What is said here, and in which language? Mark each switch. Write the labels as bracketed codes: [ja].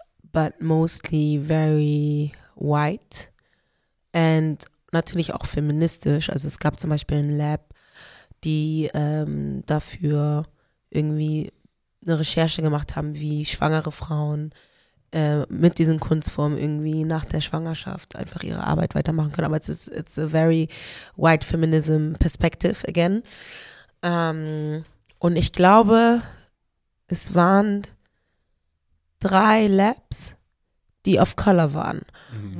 [en] But mostly very white and [de] natürlich auch feministisch. Also es gab zum Beispiel ein Lab, die dafür irgendwie eine Recherche gemacht haben, wie schwangere Frauen mit diesen Kunstformen irgendwie nach der Schwangerschaft einfach ihre Arbeit weitermachen können. [en] Aber it's a very white feminism perspective again. [de] Und ich glaube, es waren 3 Labs, die of color waren. Mhm.